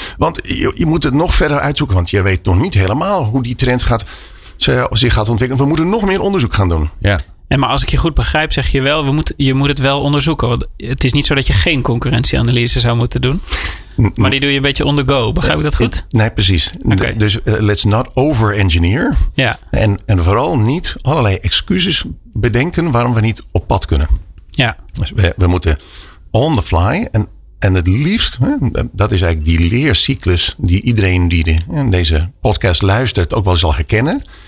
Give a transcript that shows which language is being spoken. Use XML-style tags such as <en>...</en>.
<nl>Want je moet het nog verder uitzoeken. Want je weet nog niet helemaal hoe die trend zich gaat ontwikkelen. We moeten nog meer onderzoek gaan doen. Ja. En maar als ik je goed begrijp, zeg je wel, je moet het wel onderzoeken. Want het is niet zo dat je geen concurrentieanalyse zou moeten doen. Maar die doe je een beetje on the go. Begrijp ik dat goed? Nee, precies. Okay. Dus</nl> <en>let's not over-engineer.</en> <nl>Ja. En vooral niet allerlei excuses bedenken waarom we niet op pad kunnen. Ja. Dus we moeten on the fly. En het liefst, dat is eigenlijk die leercyclus die iedereen die deze podcast luistert ook wel zal herkennen.</nl>